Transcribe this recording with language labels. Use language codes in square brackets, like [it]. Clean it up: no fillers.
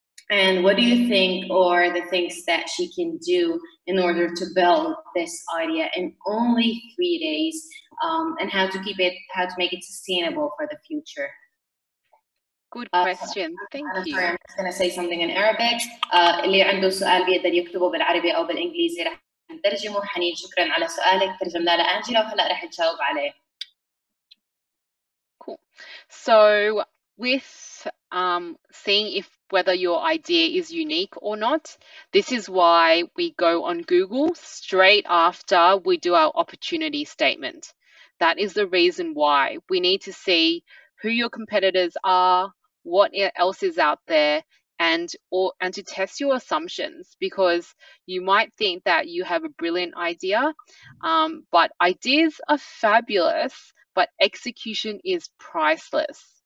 [en] And what do you think are the things that she can do in order to build this idea in only 3 days, and how to keep it, how to make it sustainable for the future? Good question. Thank I'm you. sorry, I'm just going to say something in Arabic. [ar] اللي عنده سؤال بيقدر يكتبه بالعربي أو بالإنجليزي رح نترجمه. حنين شكرا على سؤالك، ترجمناه لأنجلا وهلأ رح تجاوب عليه. [en] Cool. So with seeing if whether your idea is unique or not, this is why we go on Google straight after we do our opportunity statement. That is the reason why we need to see who your competitors are, what else is out there, and to test your assumptions, because you might think that you have a brilliant idea, but ideas are fabulous, but execution is priceless.